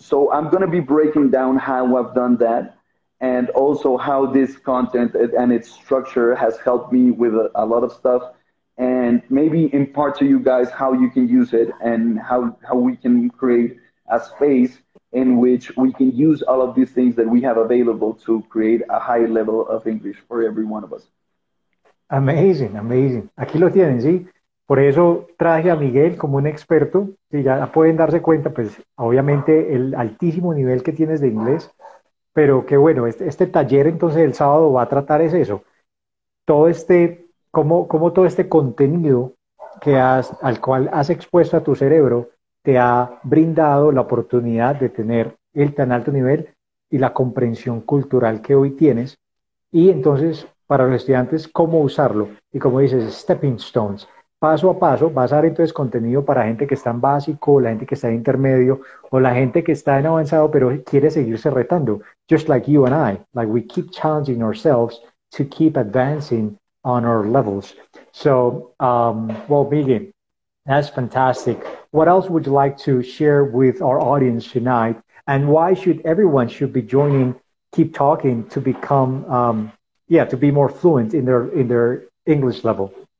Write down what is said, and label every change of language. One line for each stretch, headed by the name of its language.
English: So I'm going to be breaking down how I've done that, and also how this content and its structure has helped me with a lot of stuff, and maybe impart to you guys how you can use it and how we can create a space in which we can use all of these things that we have available to create a high level of English for every one of us. Amazing, amazing.
Spanish: Aquí lo tienen, ¿sí? Por eso traje a Miguel como un experto. Si ya pueden darse cuenta, pues obviamente el altísimo nivel que tienes de inglés. Pero qué bueno, este taller entonces el sábado va a tratar es eso, todo este ¿Cómo todo este contenido al cual has expuesto a tu cerebro te ha brindado la oportunidad de tener el tan alto nivel y la comprensión cultural que hoy tienes? Y entonces, para los estudiantes, ¿cómo usarlo? Y como dices,
English: stepping stones,
Spanish: paso a paso, vas a dar entonces contenido para gente que está en básico, la gente que está en intermedio o la gente que está en avanzado, pero quiere seguirse retando.
English: Just like you and I, like we keep challenging ourselves to keep advancing on our levels. So, well, Megan, that's fantastic. What else would you like to share with our audience tonight? And why should everyone should be joining Keep Talking to become, to be more fluent in their English level?